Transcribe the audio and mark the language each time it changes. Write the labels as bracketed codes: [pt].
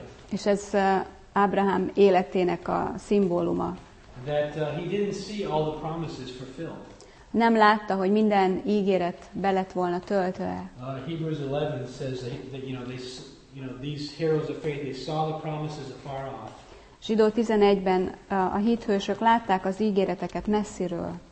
[hu] És ez Ábrahám életének a szimbóluma. [en] That, he didn't see all the promises fulfilled. [hu] Nem látta, hogy minden ígéret be lett volna töltve. [en] Hebrews 11 says that you know these heroes of faith, they saw the promises afar off. [hu] Zsidó 11-ben a hithősök látták az ígéreteket messziről.